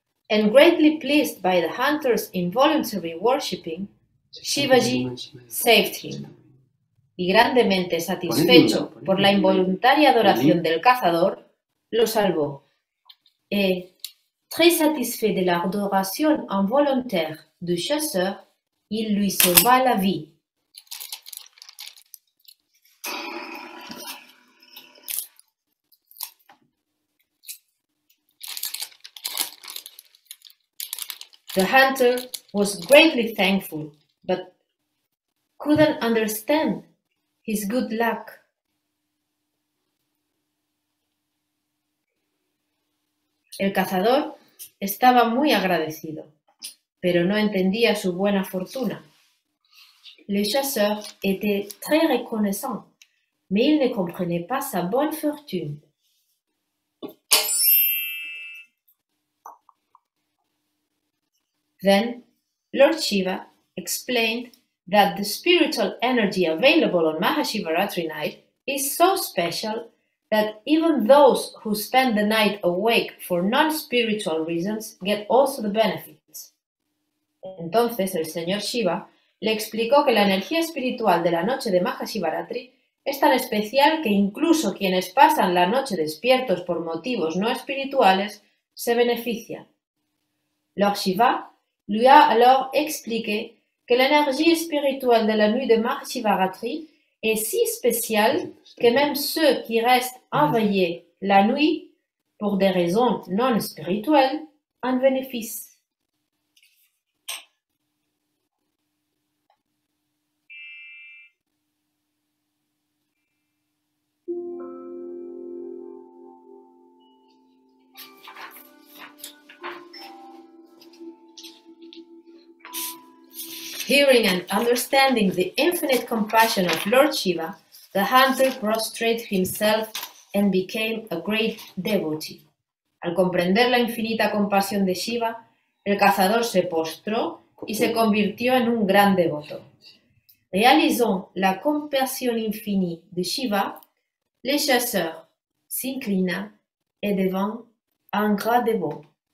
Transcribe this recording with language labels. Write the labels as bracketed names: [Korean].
[English] And greatly pleased by the hunter's involuntary worshipping, Shivaji saved him. [Spanish] Y grandemente satisfecho por la involuntaria adoración del cazador, lo salvó. [French] Et très satisfait de l'adoration involontaire du chasseur, il lui sauva la vie. [English] The hunter was greatly thankful, but couldn't understand his good luck. [Spanish] El cazador estaba muy agradecido, pero no entendía su buena fortuna. [French] Le chasseur était très reconnaissant, mais il ne comprenait pas sa bonne fortune. [English] Then, Lord Shiva explained that the spiritual energy available on Mahashivaratri night is so special that even those who spend the night awake for non-spiritual reasons get also the benefits. [Spanish] Entonces, el señor Shiva le explicó que la energía espiritual de la noche de Mahashivaratri es tan especial que incluso quienes pasan la noche despiertos por motivos no espirituales se benefician. [French] Lord Shiva lui a alors expliqué que l'énergie spirituelle de la nuit de Mahashivaratri est si spéciale que même ceux qui restent éveillés la nuit pour des raisons non spirituelles en bénéficient. [English] Hearing and understanding the infinite compassion of Lord Shiva, the hunter prostrated himself and became a great devotee. [Spanish] Al comprender la infinita compasión de Shiva, el cazador se postró y se convirtió en un gran devoto. [French] Réalisant la compassion infinie de Shiva, le chasseur s'inclina et devint un grand dévot.